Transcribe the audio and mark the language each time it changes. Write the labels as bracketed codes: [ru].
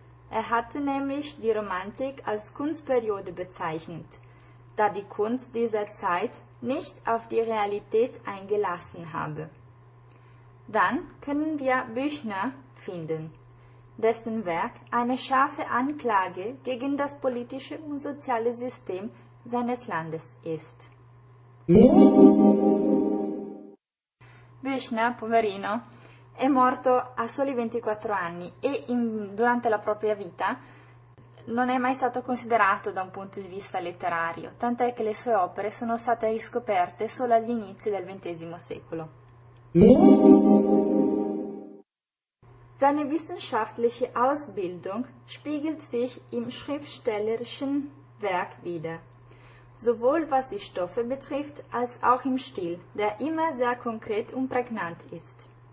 [de] Er hatte nämlich die Romantik als Kunstperiode bezeichnet, da die Kunst dieser Zeit nicht auf die Realität eingelassen habe. Dann können wir Büchner finden, dessen Werk eine scharfe Anklage gegen das politische und soziale System seines Landes ist. [it] Büchner, poverino, è morto a soli 24 anni e durante la propria vita non è mai stato considerato da un punto di vista letterario, tant'è che le sue opere sono state riscoperte solo agli inizi del XX secolo. [de] Seine wissenschaftliche Ausbildung spiegelt sich im schriftstellerischen Werk wider, sowohl was die Stoffe betrifft als auch im Stil, der immer sehr konkret und prägnant ist.